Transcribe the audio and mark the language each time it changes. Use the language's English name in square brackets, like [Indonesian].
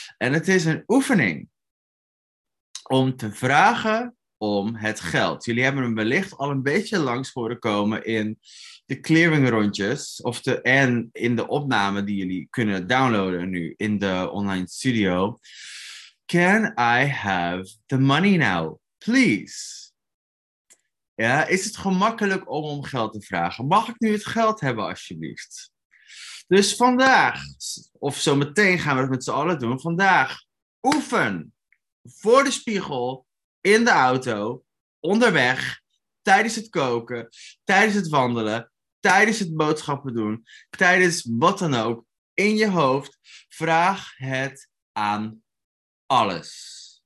[Dutch] En het is een oefening om te vragen om het geld. Jullie hebben hem wellicht al een beetje langs horen komen in de clearing rondjes of de, en in de opname die jullie kunnen downloaden nu in de online studio. [English] Can I have the money now, please? [Dutch] Ja, is het gemakkelijk om geld te vragen? Mag ik nu het geld hebben, alsjeblieft? Dus vandaag, of zo meteen gaan we het met z'n allen doen, vandaag oefen voor de spiegel, in de auto, onderweg, tijdens het koken, tijdens het wandelen, tijdens het boodschappen doen, tijdens wat dan ook, in je hoofd, vraag het aan alles.